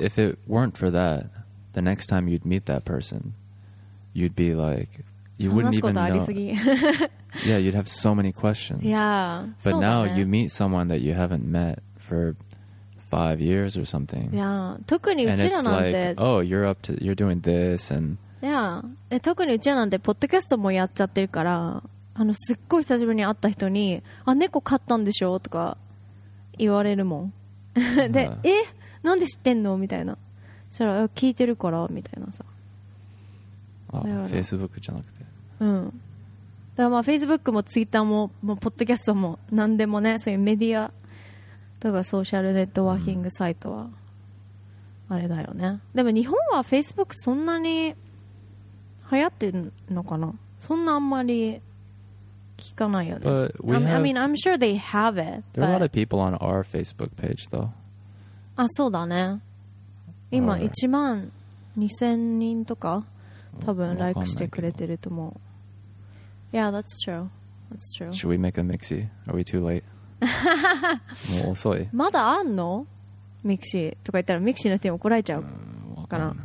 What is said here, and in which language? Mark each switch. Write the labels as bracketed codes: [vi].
[en] if it weren't for that, the next time you'd meet that person, you'd be like, you wouldn't even know. Yeah, you'd have so many questions. Yeah. But now you meet someone that you haven't met for 5 years or something. Yeah. [ja] 特にうちらなんて。 [en] And it's like, oh, you're up to, you're doing this and... Yeah. [ja] 特にうちらなんてポッドキャストもやっちゃってるから、あのすっごい久しぶりに会った人に、あ、猫飼ったんでしょとか言われるもん。で、え、なんで知ってんのみたいな。そしたら、聞いてるから、みたいなさ。あ、Facebook じゃなくて。うん。だからまあ、Facebook も Twitter も、もうポッドキャストも、なんでもね、そういうメディアとかソーシャルネットワーキングサイトは、あれだよね。でも日本は Facebook そんなに流行ってんのかな？そんなあんまり聞かないよね。 [en] But we have, I mean, I'm sure they have it. There are a lot of people on our Facebook page, though. [ja] あ、そうだね。今、1万2000人とか、多分、ライクしてくれてると思う。 [en] Yeah, that's true. That's true. Should we make a mixi? Are we too late? [ja] もう遅い。まだあんの？ミクシーとか言ったらミクシーの人に怒られちゃうかな。